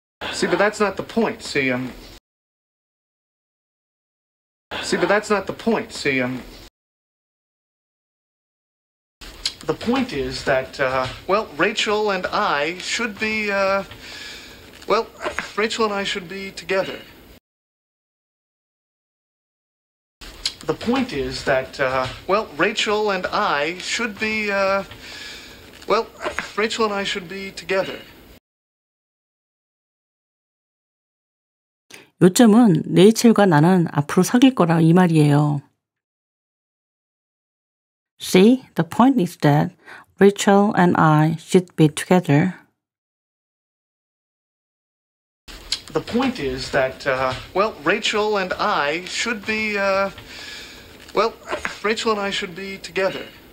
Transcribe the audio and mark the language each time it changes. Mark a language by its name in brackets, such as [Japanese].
[English] See, but that's not the point, see, See, but that's not the point, see, The point is that, well, Rachel and I should be, well, Rachel and I should be together. The point is that, well, Rachel and I should be, well, Rachel and I should be together. [Korean] 요점은 레이첼과 나는 앞으로 사귈 거라 이 말이에요. [English] See, the point is that Rachel and I should be together. The point is that, well, Rachel and I should be, well, Rachel and I should be together.